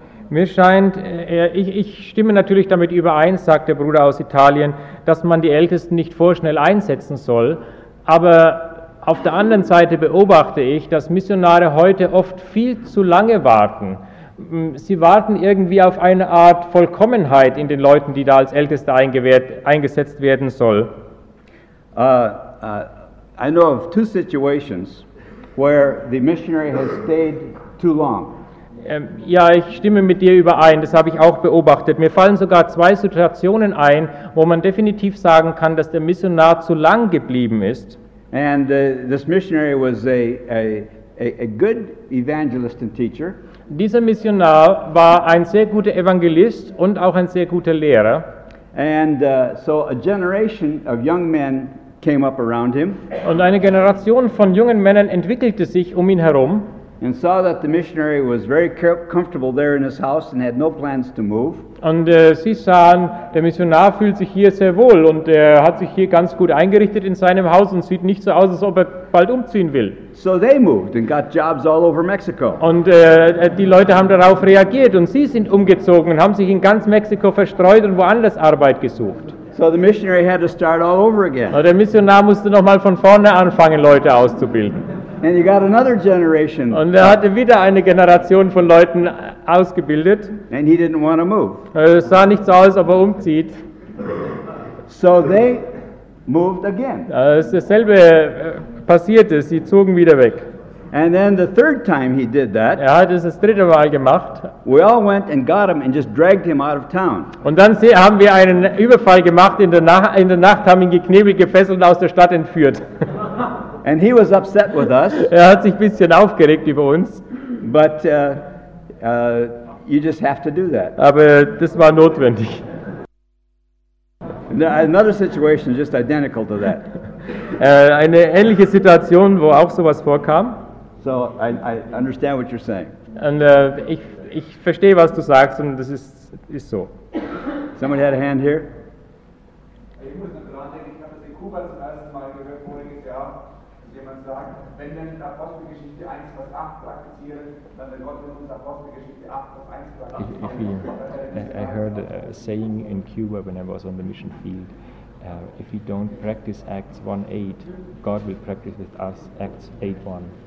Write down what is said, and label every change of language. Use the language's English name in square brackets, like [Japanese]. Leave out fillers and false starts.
[German] Mir scheint, ich stimme natürlich damit überein, sagt der Bruder aus Italien, dass man die Ältesten nicht vorschnell einsetzen soll. Aber auf der anderen Seite beobachte ich, dass Missionare heute oft viel zu lange warten. Sie warten irgendwie auf eine Art Vollkommenheit in den Leuten, die da als Älteste eingesetzt werden soll. [English] I know of two situations where the missionary has stayed too long. [German] Ja, ich stimme mit dir überein, das habe ich auch beobachtet. Mir fallen sogar zwei Situationen ein, wo man definitiv sagen kann, dass der Missionar zu lang geblieben ist. [English] And this missionary was a good evangelist and teacher. [German] Dieser Missionar war ein sehr guter Evangelist und auch ein sehr guter Lehrer. [English] And so a generation of young men came up around him. [German] Und eine Generation von jungen Männern entwickelte sich um ihn herum. [English] And saw that the missionary was very comfortable there in his house and had no plans to move. [German] Und sie sahen, der Missionar fühlt sich hier sehr wohl und er hat sich hier ganz gut eingerichtet in seinem Haus und sieht nicht so aus, als ob er bald umziehen will. [English] So they moved and got jobs all over Mexico. [German] Und die Leute haben darauf reagiert und sie sind umgezogen und haben sich in ganz Mexiko verstreut und woanders Arbeit gesucht. [English] So the missionary had to start all over again. [German] Und der Missionar musste nochmal von vorne anfangen, Leute auszubilden. [English] And you got another generation. [German] Und er hatte wieder eine Generation von Leuten ausgebildet. [English] And he didn't want to move. [German] Es sah nicht so aus, ob er umzieht. [English] So they moved again. [German] Es dasselbe passierte, sie zogen wieder weg. [English] And then the third time he did that. [German] Er hat es das dritte Mal gemacht. [English] We all went and got him and just dragged him out of town. [German] Und dann haben wir einen Überfall gemacht in der Nacht, haben ihn geknebelt, gefesselt und aus der Stadt entführt. [English] And he was upset with us. [German] Er hat sich ein bisschen aufgeregt über uns. [English] But you just have to do that. [German] Aber das war notwendig. [English] Another situation just identical to that. [German] Eine ähnliche Situation, wo auch sowas vorkam. [English] So I understand what you're saying. [German] Und ich verstehe, was du sagst, und das ist so. [English] Somebody had a hand here? [German] Ich muss nur dran denken, ich habe das in Kuba zum ersten Mal gehört voriges Jahr, dass jemand sagt, wenn wir in der Apostelgeschichte 1 Vers 8 praktizieren, dann wird Gott in unserer Apostelgeschichte 8 Vers 1 Vers 8 praktizieren. [English] I heard a saying in Cuba when I was on the mission field. If we don't practice Acts 1:8, God will practice with us Acts 8:1.